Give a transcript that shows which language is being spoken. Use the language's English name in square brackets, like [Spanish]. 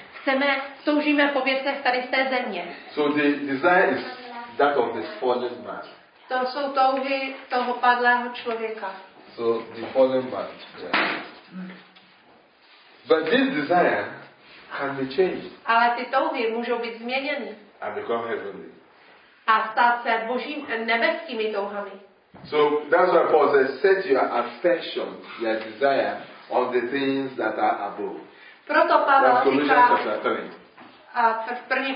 [Czech] Chceme, toužíme po věcech tady z té země. [English] So the desire is that of this fallen man. [Czech] To jsou touhy toho padlého člověka. [English] So the fallen man, yeah. But this desire can be changed. [Czech] Ale ty touhy můžou být změněny. [English] And become heavenly. [Czech] A stát se božím nebeskými touhami. [English] So that's why Paul says, set your affection, your desire on the things that are above. [Czech] Proto Pavel říká, a v první